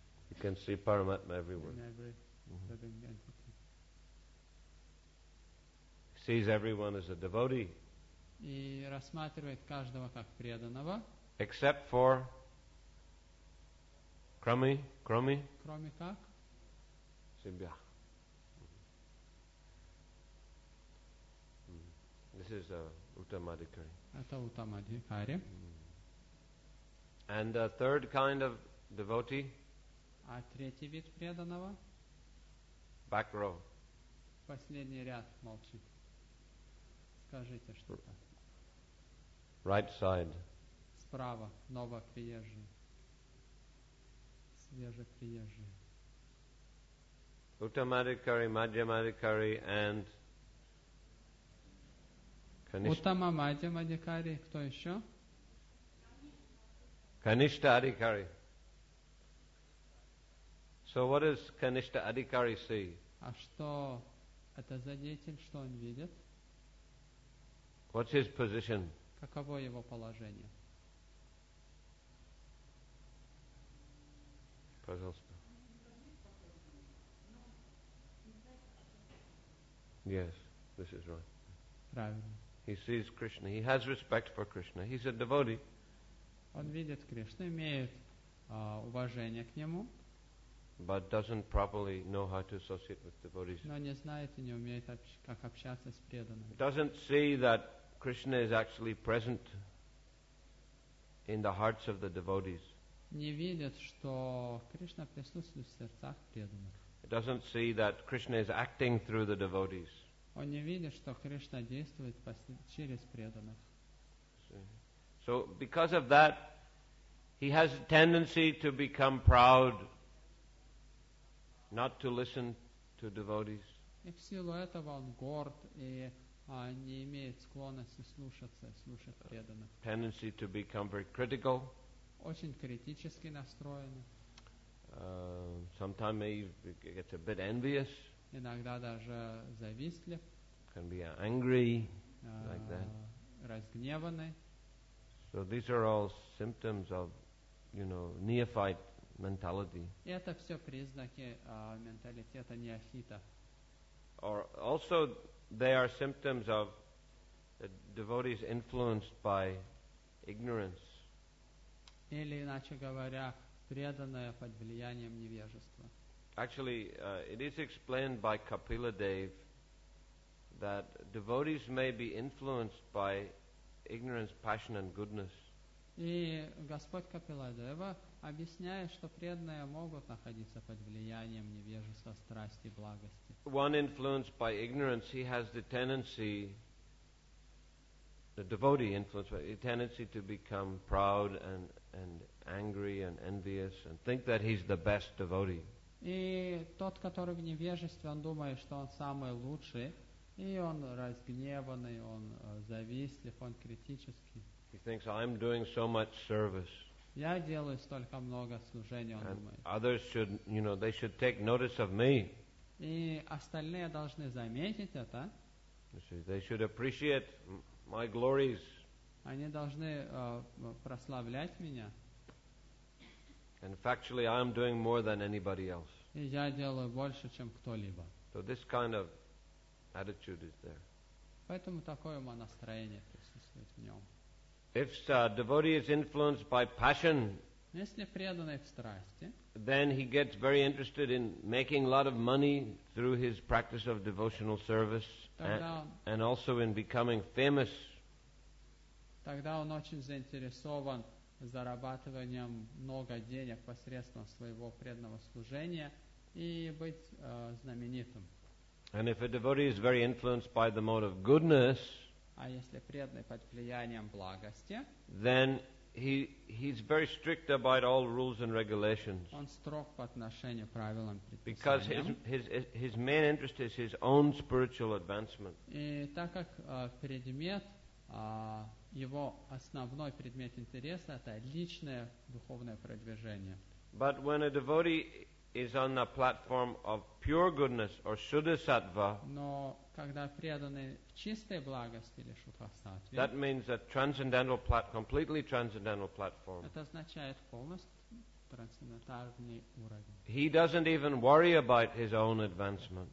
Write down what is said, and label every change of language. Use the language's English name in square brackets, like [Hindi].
[English] You can see Paramatma everywhere. In every living entity. He sees everyone as a devotee. [Russian] И рассматривает каждого как преданного. [English] Except for Krummy. [Russian] Кроме как? Себя. [English] This is Uttamadhikari. [Russian] Это Uttamadhikari. [English] And a third kind of devotee. [Russian] А третий вид преданного? [English] Back row. [Russian] Последний ряд молчит. Скажите что-то. [English] Right side. [Russian] Справа, новоприезжие. Свежеприезжие. [English] Uttamadhikari, Madhyamadhikari and [Russian] Uttama Madhyamadhikari, кто еще? [English] Kanishta Adhikari. So what does Kanishta Adhikari see? [Russian] А что это за деятель, что он видит? [English] What's his position? [Russian] Каково его положение? Пожалуйста. [English] Yes, this is right. [Russian] Правильно. [English] He sees Krishna. He has respect for Krishna. He's a devotee. [Russian] Он видит Кришну, имеет уважение к нему. [English] But doesn't properly know how to associate with devotees. [Russian] Но не знает и не умеет как общаться с преданными. [English] Doesn't see that Krishna is actually present in the hearts of the devotees. [Russian] Не видит, что Кришна присутствует в сердцах преданных. [English] Doesn't see that Krishna is acting through the devotees. [Russian] Он не видит, что Кришна действует через преданных. [English] So because of that, he has a tendency to become proud. Not to listen to devotees. [Russian] И в силу этого он горд и не имеет склонности слушаться преданных. [English] Tendency to become very critical. [Russian] очень критически настроены. [English] Sometimes maybe it gets a bit envious. [Russian] Иногда даже завистлив. [English] Can be angry like that. [Russian] Разгневанный. [English] So these are all symptoms of, you know, neophyte mentality. [Russian] Это все признаки менталитета неофита. [English] Or also they are symptoms of devotees influenced by ignorance. [Russian] Или иначе говоря, преданное под влиянием невежества. [English] Actually, it is explained by Kapila Dev that devotees may be influenced by ignorance, passion, and goodness. [Russian] И Господь Капиладева объясняет, что преданные могут находиться под влиянием невежества, страсти, благости. [English] One influenced by ignorance, he has the tendency, the devotee influenced by the tendency to become proud and angry and envious and think that he's the best devotee. [Russian] И тот, который в невежестве, он думает, что он самый лучший. И он разгневанный, он завистлив, он критический. [English] He thinks, I'm doing so much service. [Russian] Я делаю столько много служения, он думает. [English] Others should, you know, they should take notice of me. [Russian] И остальные должны заметить это. [English] They should appreciate my glories. [Russian] Они должны прославлять меня. [English] And factually, I'm doing more than anybody else. [Russian] И я делаю больше, чем кто-либо. [English] So this kind of attitude is there. [Russian] Поэтому такое настроение присутствует в нем. [English] If a devotee is influenced by passion, [Russian] если преданный в страсти, [English] then he gets very interested in making a lot of money through his practice of devotional service and also in becoming famous. [Russian] Тогда он очень заинтересован зарабатыванием много денег посредством своего преданного служения и быть знаменитым. [English] And if a devotee is very influenced by the mode of goodness, [Russian] а если преданный под влиянием благости, [English] then he's very strict about all rules and regulations. [Russian] Он строг по отношению к правилам и предписаниям. [English] Because his main interest is his own spiritual advancement. [Russian] И так как предмет его основной предмет интереса это личное духовное продвижение. [English] But when a devotee is on the platform of pure goodness or Shuddha-sattva, [Russian] но когда преданный в чистой благости или Шуддха-саттве, [English] that means a transcendental platform, completely transcendental platform. [Russian] Это означает полностью трансцендентальный уровень. [English] He doesn't even worry about his own advancement.